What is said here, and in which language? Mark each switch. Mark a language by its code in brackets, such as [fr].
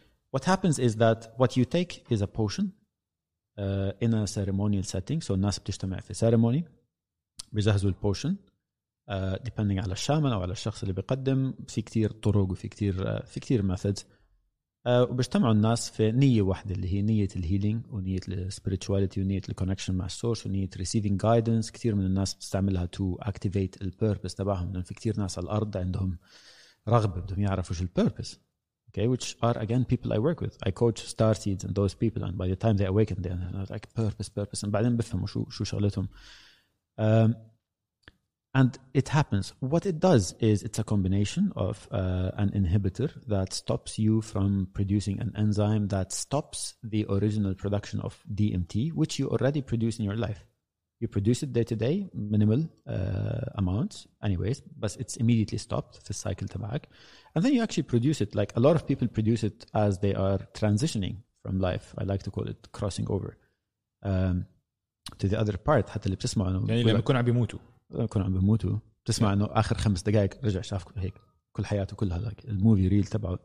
[en] What happens is that what you take is a potion in a ceremonial setting. [ar] So الناس بتجتمع في ceremony, بيجهزوا البوشن. Depending على الشامن أو على الشخص اللي بيقدم, في كتير طرق وفي كتير في كتير methods. وبيجتمعوا الناس في نية واحدة اللي هي نية الهيلينج ونية السبيريتشواليتي ونية الكونكشن مع السورس ونية [en] receiving guidance. [ar] كتير من الناس بتستعملها [en] to activate the purpose [ar] تبعهم, لأن في كتير ناس على الأرض عندهم رغبة بدهم يعرفوا شو البيربس. [en] Okay, which are again people I work with. I coach star seeds and those people, and by the time they awaken, they're like purpose. [ar] And بعدين بفهموا شو شغلتهم. [en] And it happens. What it does is it's a combination of an inhibitor that stops you from producing an enzyme that stops the original production of DMT, which you already produce in your life. You produce it day to day, minimal amounts anyways, but it's immediately stopped, the cycle tabak. And then you actually produce it, like a lot of people produce it as they are transitioning from life. I like to call it crossing over to the other part. [ar] حتى اللي بتسمعه يعني لما يكون عم بيموتوا. كنا عم بموتوا بتسمع yeah. انه اخر خمس دقائق رجع شاف هيك كل حياته كلها لك الموفي ريل تبعه.